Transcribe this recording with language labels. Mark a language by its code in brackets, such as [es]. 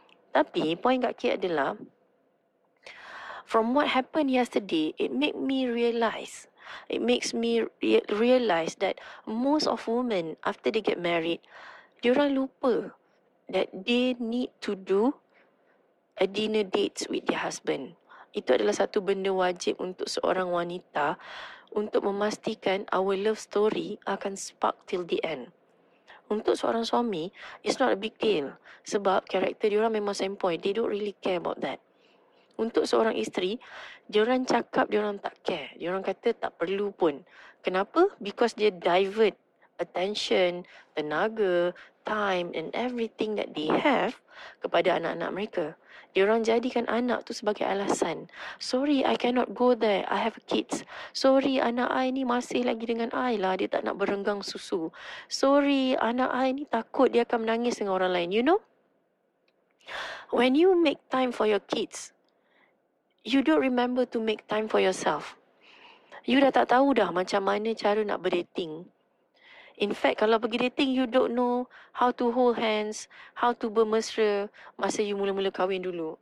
[ms] Tapi point Kak K adalah, [en] from what happened yesterday, it makes me realize that most of women, after they get married, [ms] diorang lupa [en] that they need to do a dinner date with their husband. [ms] Itu adalah satu benda wajib untuk seorang wanita untuk memastikan [en] our love story [ms] akan [en] spark till the end. [ms] Untuk seorang suami, [en] it's not a big deal. [ms] Sebab karakter diorang memang [en] same point. They don't really care about that. [ms] Untuk seorang isteri, diorang cakap diorang tak care. Diorang kata tak perlu pun. Kenapa? [en] Because [ms] dia [en] divert attention, [ms] tenaga, [en] time and everything that they have [ms] kepada anak-anak mereka. Diorang jadikan anak tu sebagai alasan. [en] Sorry, I cannot go there. I have kids. [ms] Sorry, anak I ni masih lagi dengan I lah. Dia tak nak berenggang susu. Sorry, anak I ni takut dia akan menangis dengan orang lain. [en] You know? When you make time for your kids, you don't remember to make time for yourself. [ms] You dah tak tahu dah macam mana cara nak berdating. [en] In fact, [ms] kalau pergi dating, [en] you don't know how to hold hands, how to [ms] bermesra masa you mula-mula kahwin dulu.